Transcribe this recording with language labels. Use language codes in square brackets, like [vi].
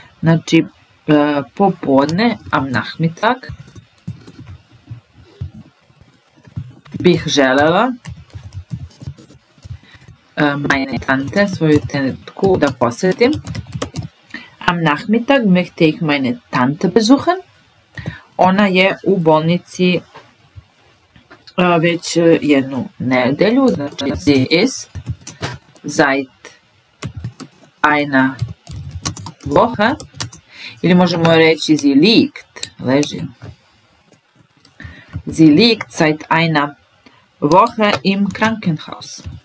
[bs] Znači, popodne, [de] am Nachmittag, [bs] bih željela [de] meine Tante, [bs] svoju tetku, da posjetim. [de] Am Nachmittag möchte ich meine Tante besuchen. [bs] Ona je u bolnici već jednu nedelju. Znači, [de] sie ist seit eine Woche, [bs] ili možemo reći [de] sie liegt, [bs] leži. [de] Sie liegt seit einer Woche im Krankenhaus.